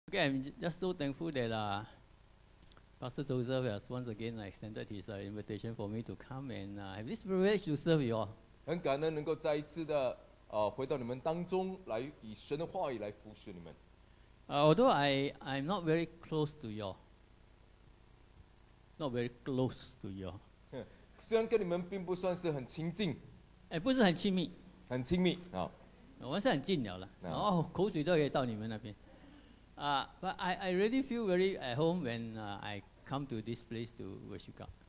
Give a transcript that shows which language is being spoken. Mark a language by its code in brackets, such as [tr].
[en] Okay, I'm just so thankful that Pastor Joseph has once again extended his invitation for me to come and have this privilege to serve you all. [zh] 很感恩能够再一次的 回到你们当中来以神的话语来服侍你们。 [en] Although I'm not very close to you all. Not very close to you all. [zh] 虽然跟你们并不算是很亲近。不是很亲密。很亲密, 我们是很近了啦。口水都可以到你们那边。 [en] But I really feel very at home when I come to this place to worship God.